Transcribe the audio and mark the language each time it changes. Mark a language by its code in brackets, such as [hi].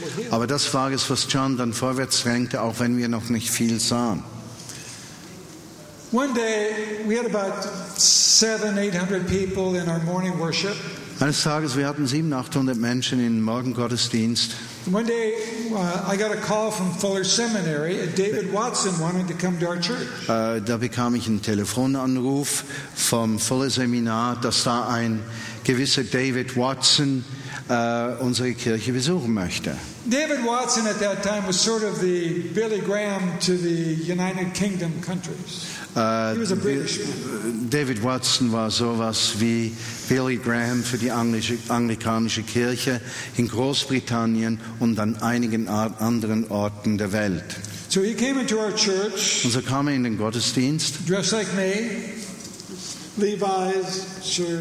[de] Aber das war es, was John dann vorwärts drängte, auch wenn wir noch nicht viel sahen. [en] One day we had about 700-800 people in our morning worship. [de] Eines Tages wir hatten 700-800 Menschen in Morgengottesdienst. [en] One day I got a call from Fuller Seminary. David Watson wanted to come to our church. [de] Da bekam ich einen Telefonanruf vom Fuller Seminar, dass da ein gewisser David Watson unsere Kirche besuchen möchte. [en] David Watson at that time was sort of the Billy Graham to the United Kingdom countries. He was a British man. [de] David Watson war sowas wie Billy Graham für die anglikanische Kirche in Großbritannien und an einigen anderen Orten der Welt. [en] So he came into our church. [de] Und so kam in den Gottesdienst. [en] Dressed like me. Levi's shirt.